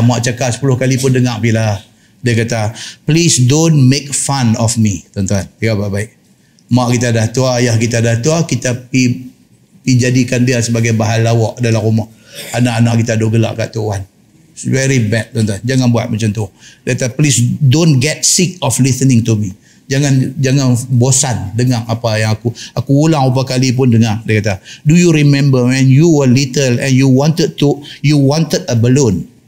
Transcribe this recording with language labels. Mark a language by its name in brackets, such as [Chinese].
[Malay] Mak cakap 10 kali pun dengar bila. Dia kata, [English] please don't make fun of me. [Malay] Tuan-tuan, tengok baik-baik. Mak kita dah tua, ayah kita dah tua, kita pi jadikan dia sebagai bahan lawak dalam rumah. Anak-anak kita dah gelak kat tuan. [English] It's very bad, [Malay] tuan-tuan. Jangan buat macam tu. Dia kata, [English] please don't get sick of listening to me. [Malay] Jangan bosan dengar apa yang aku ulang beberapa kali pun dengar. Dia kata, [English] do you remember when you were little and you wanted a balloon?